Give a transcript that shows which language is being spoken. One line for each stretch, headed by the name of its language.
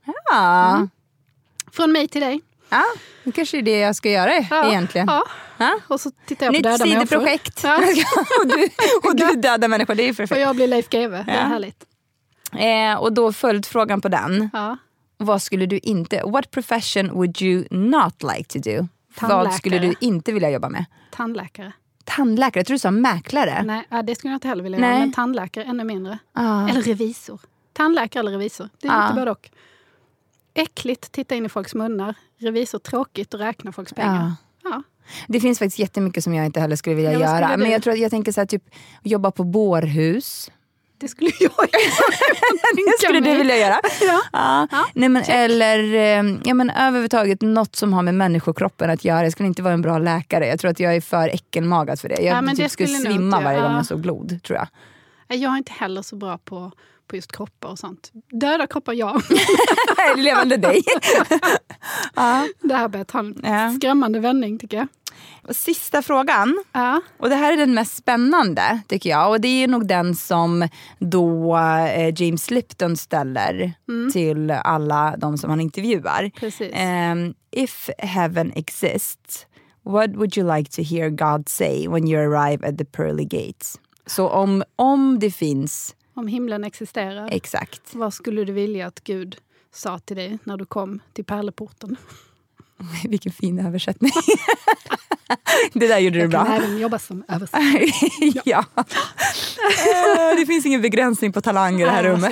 Swedish: Ja. Mm. Från mig till dig. Ja, det kanske är det jag ska göra egentligen. Ja. Och så tittar jag på döda människor. Nytt sidoprojekt. Ja. och du döda människor, det är perfekt. Och jag blir Leif G.W. Det är härligt. Och då följt frågan på den. Ja. Vad skulle du inte...
English: What profession would you not like to do?
Swedish: Tandläkare. Vad skulle du inte vilja jobba med? Tandläkare? Tror du sa mäklare? Nej, det skulle jag inte heller vilja göra. Men tandläkare, ännu mindre. Eller revisor. Tandläkare eller revisor. Det är inte både och. Äckligt, titta in i folks munnar. Revisor, tråkigt och räkna folks pengar. Det finns faktiskt jättemycket som jag inte heller skulle vilja göra. Skulle, men jag tror att jag tänker så här, typ jobba på bårhus... Det skulle jag göra. Det skulle du vilja göra. Ja. Nej, men, eller överhuvudtaget något som har med människokroppen att göra. Jag skulle inte vara en bra läkare. Jag tror att jag är för äckelmagad för det. Jag men typ det skulle svimma inte, varje gång jag såg blod, tror jag. Jag är inte heller så bra på just kroppar och sånt. Döda kroppar, ja. Levande dig. Det här börjar ta en skrämmande vändning, tycker jag. Och sista frågan, och det här är den mest spännande, tycker jag. Och det är nog den som då James Lipton ställer till alla de som han intervjuar. Precis.
English: If heaven exists, what would you like to hear God say when you arrive at the pearly gates?
Swedish: Så om det finns... Om himlen existerar. Exakt. Vad skulle du vilja att Gud sa till dig när du kom till pärleporten? Vilken fin översättning. Det där gjorde du bra. Jag kan även jobba som översättare. Ja. Det finns ingen begränsning på talang i det här rummet.